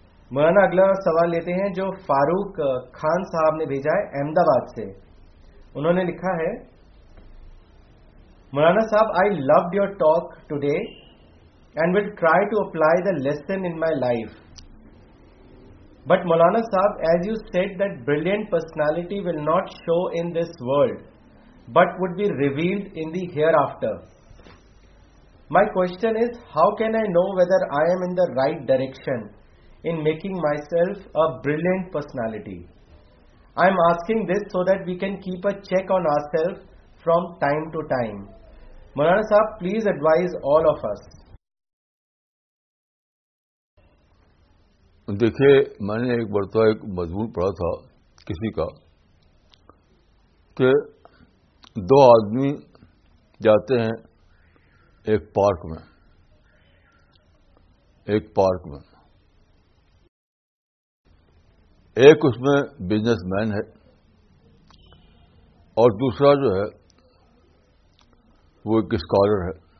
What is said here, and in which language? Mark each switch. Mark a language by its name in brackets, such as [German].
[Urdu] مولانا اگلا سوال لیتے ہیں جو فاروق خان صاحب نے بھیجا ہے احمد آباد سے, انہوں نے لکھا ہے, مولانا صاحب [English] I loved your talk today and will try to apply the lesson in my life. But Maulana Sahab, as you said that brilliant personality will not show in this world, but would be revealed in the hereafter. My question is, how can I know whether I am in the right direction in making myself a brilliant personality? I am asking this so that we can keep a check on ourselves from time to time. Maulana Sahab, please advise all of us. [Urdu] دیکھیے, میں نے ایک مرتبہ ایک مضمون پڑھا تھا کسی کا, کہ دو آدمی جاتے ہیں ایک پارک میں, ایک اس میں بزنس مین ہے اور دوسرا جو ہے وہ ایک اسکالر ہے.